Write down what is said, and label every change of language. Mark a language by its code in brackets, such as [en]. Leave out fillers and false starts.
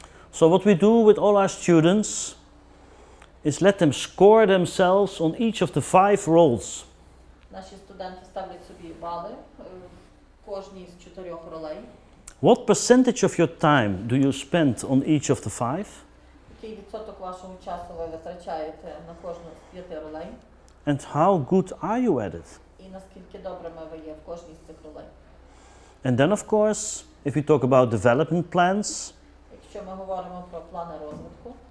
[en] So what we do with all our students is let them score themselves on each of the five roles. [uk] Наші студенти ставлять собі бали кожній з чотирьох ролей. [en] What percentage of your time do you spend on each of the five? [uk] Який відсоток вашого часу ви витрачаєте на кожну з п'яти ролей? [en] And how good are you at it? [uk] І наскільки добрими ви є в кожній з цих ролей? [en] And then of course, if we talk about development plans, [uk] якщо ми говоримо про плани розвитку,